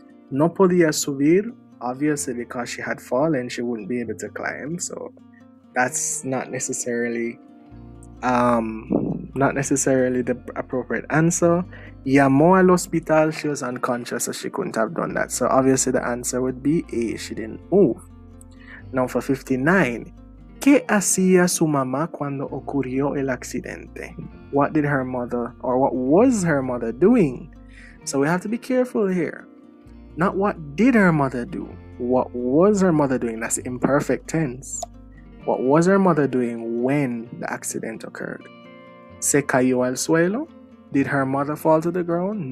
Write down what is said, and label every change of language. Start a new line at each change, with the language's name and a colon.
Spanish: No podía subir,
English: obviously because she had fallen, she wouldn't be able to climb. So that's not necessarily the appropriate answer.
Spanish: Llamó al hospital,
English: she was unconscious, so she couldn't have done that. So obviously the answer would be A, she didn't move. Now for 59.
Spanish: ¿Qué hacía su mamá cuando ocurrió el accidente?
English: What did her mother, or what was her mother doing? So we have to be careful here. Not what did her mother do, what was her mother doing? That's the imperfect tense. What was her mother doing when the accident occurred?
Spanish: ¿Se cayó al suelo?
English: Did her mother fall to the ground?